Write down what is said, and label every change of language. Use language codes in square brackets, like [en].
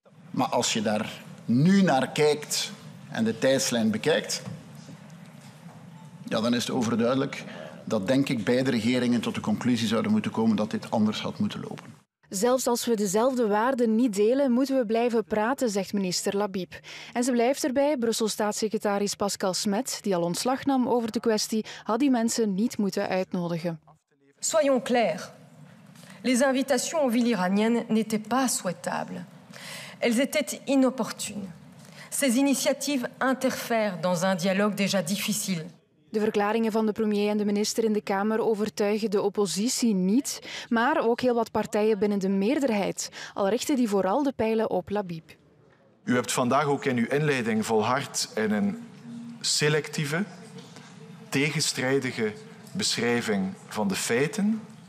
[nl] Maar als je daar nu naar kijkt en de tijdslijn bekijkt, ja, dan is het overduidelijk dat, denk ik, beide regeringen tot de conclusie zouden moeten komen dat dit anders had moeten lopen. Zelfs als we dezelfde waarden niet delen, moeten we blijven praten, zegt minister Labib. En ze blijft erbij. Brussel-staatssecretaris Pascal Smet, die al ontslag nam over de kwestie, had die mensen niet moeten uitnodigen. [fr] Soyons clairs. Les invitations aux villes iraniennes n'étaient pas souhaitables. Elles étaient inopportunes. Ces initiatives interfèrent dans un dialogue déjà difficile. [nl] De verklaringen van de premier en de minister in de Kamer overtuigen de oppositie niet, maar ook heel wat partijen binnen de meerderheid. Al richten die vooral de pijlen op Labib. U hebt vandaag ook in uw inleiding volhard in een selectieve, tegenstrijdige beschrijving van de feiten.